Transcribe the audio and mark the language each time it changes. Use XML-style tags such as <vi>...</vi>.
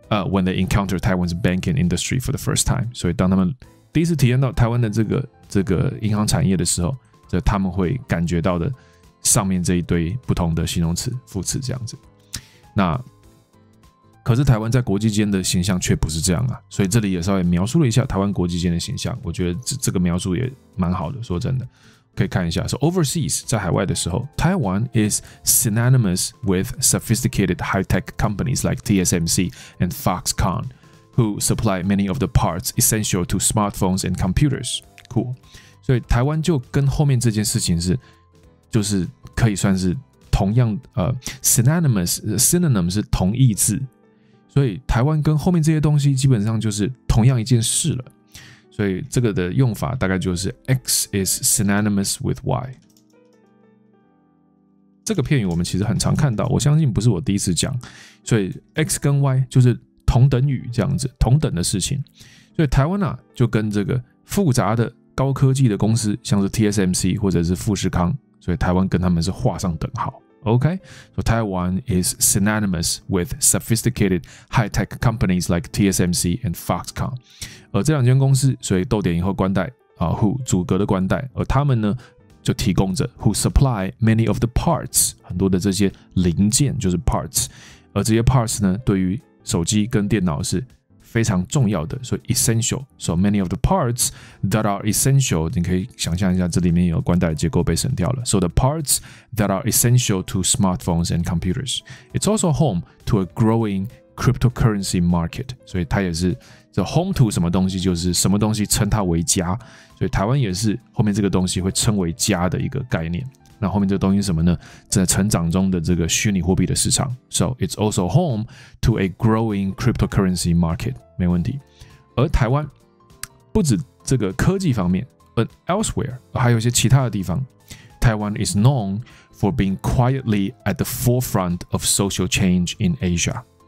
<en>When they encounter Taiwan's banking industry for the first time.</en> <zh>所以当他们第一次体验到台湾的这个银行产业的时候，这他们会感觉到的上面这一堆不同的形容词副词这样子。那可是台湾在国际间的形象却不是这样啊，所以这里也稍微描述了一下台湾国际间的形象，我觉得 这个描述也蛮好的，说真的可以看一下。</zh> <en>So overseas 在海外的时候， Taiwan is synonymous with sophisticated high-tech companies like TSMC and Foxconn who supply many of the parts essential to smartphones and computers.</en> <zh>Cool. 所以台湾就跟后面这件事情是就是可以算是同样、synonymous synonym 是同义字，所以台湾跟后面这些东西基本上就是同样一件事了。所以这个的用法大概就是 X is synonymous with Y。这个片语我们其实很常看到，我相信不是我第一次讲。所以 X 跟 Y 就是同等语这样子，同等的事情。所以台湾啊就跟这个复杂的高科技的公司，像是 TSMC 或者是富士康，所以台湾跟他们是画上等号。</zh> <en>OK， so Taiwan is synonymous with sophisticated high tech companies like TSMC and Foxconn。</en> <zh>这两间公司，所以逗点以后冠带、who 阻隔的冠带，而他们呢就提供着 who supply many of the parts，很多的这些零件就是 parts， 而这些 parts 呢对于手机跟电脑是非常重要的，所以 essential。</zh> <en>So many of the parts that are essential，你可以想象一下这里面有冠带的结构被省掉了。 So the parts that are essential to smartphones and computers. It's also home to a growing cryptocurrency market.</en> <zh>所以它也是 The home to 什么东西，就是什么东西称它为家，所以台湾也是后面这个东西会称为家的一个概念。那后面这个东西是什么呢？在成长中的这个虚拟货币的市场。</zh> <en>So it's also home to a growing cryptocurrency market，没问题。而台湾不止这个科技方面， but elsewhere 还有一些其他的地方， Taiwan is known for being quietly at the forefront of social change in Asia。</en>